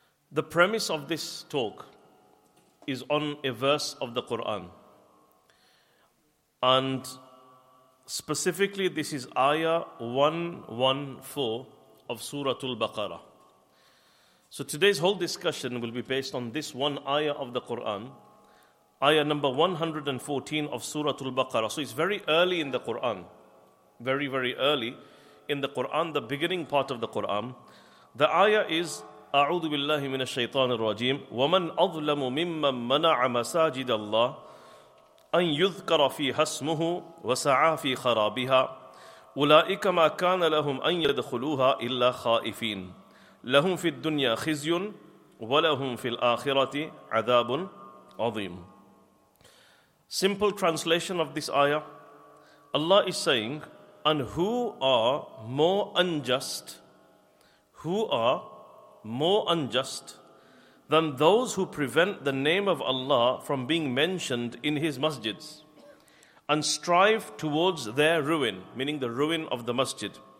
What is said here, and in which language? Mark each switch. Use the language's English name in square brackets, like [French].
[English] The premise of this talk is on a verse of the Quran, and specifically this is ayah 114 of Surah Al-Baqarah. So today's whole discussion will be based on this one ayah of the Quran, ayah number 114 of Surah Al-Baqarah. So it's very early in the Quran, very early in the Quran, the beginning part of the Quran. The ayah is, [Arabic] أعوذ بالله من الشيطان الرجيم ومن أظلم ممن منع مساجد الله أن يذكر فيها اسمه وسعى في خرابها أولئك ما كان لهم أن يدخلوها إلا خائفين لهم في الدنيا خزي ولهم في الآخرة عذاب عظيم. [English] Simple translation of this ayah, Allah is saying, and who are more unjust, than those who prevent the name of Allah from being mentioned in his masjids and strive towards their ruin, meaning the ruin of the masjid.